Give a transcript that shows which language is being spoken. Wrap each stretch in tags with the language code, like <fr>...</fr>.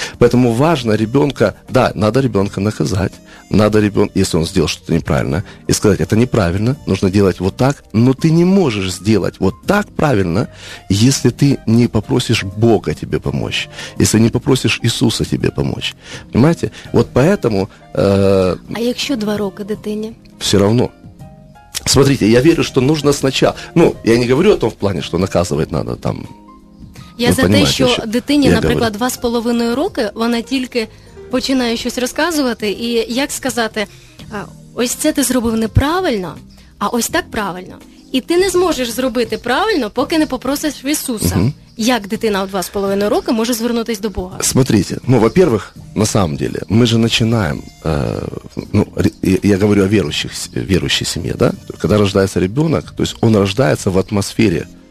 <ru>Поэтому важно ребенка, да, надо ребенка наказать, надо ребенка, если он сделал что-то неправильно, и сказать, это неправильно, нужно делать вот так, но ты не можешь сделать вот так правильно, если ты не попросишь Бога тебе помочь, если не попросишь Иисуса тебе помочь. Понимаете? Вот поэтому...</ru> <uk>А еще 2 роки дитині?</uk> <ru>Все равно. Смотрите, я верю, что нужно сначала... Ну, я не говорю о том в плане, что наказывать надо там...</ru> <uk>Я за те, що дитині, наприклад, 2.5 роки, вона тільки починає щось розказувати, і як сказати, ось це ти зробив неправильно, а ось так правильно. І ти не зможеш зробити правильно, поки не попросиш Ісуса. Угу. Як дитина в 2.5 роки може звернутися до Бога?</uk> <ru>Смотрите, ну, во-первых, на самом деле, ми же начинаем, ну, я говорю о верующей семье, да? Когда рождается ребенок, то есть он рождается в атмосфере,</ru>